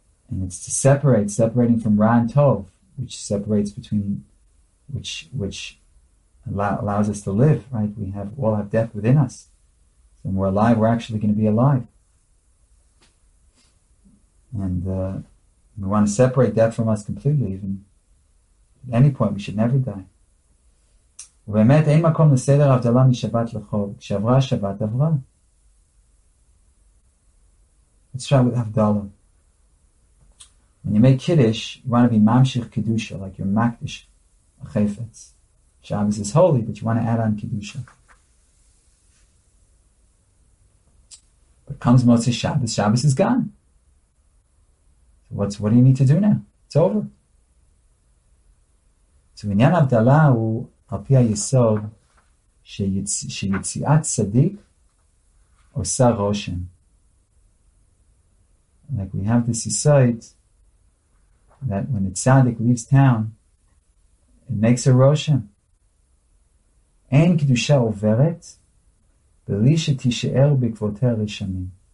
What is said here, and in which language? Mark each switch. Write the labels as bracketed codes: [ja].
[en] And it's to separating from Ra and Tov, which separates between, which allows us to live, right? We have all have death within us. So when we're alive, we're actually going to be alive. And we want to separate death from us completely, even. At any point, we should never die. [he] ובאמת, אין מקום לסדר הבדלה משבת לחוב, כשעברה שבת עברה. [en] Let's try with Havdalah. When you make Kiddush, you want to be Mamshich Kiddusha, like your Makdish Achefetz. Shabbos is holy, but you want to add on Kiddusha. But comes Motzei Shabbos, Shabbos is gone. So what do you need to do now? It's over. [he] So עניין הבדלה הוא על פי היסוד שיציאת צדיק עושה רושם. [en] Like we have this yisoid that when a tzaddik leaves town, it makes a roshem. [he] אין קדושה עוברת בלי שתישאר בעקבותי רשמים.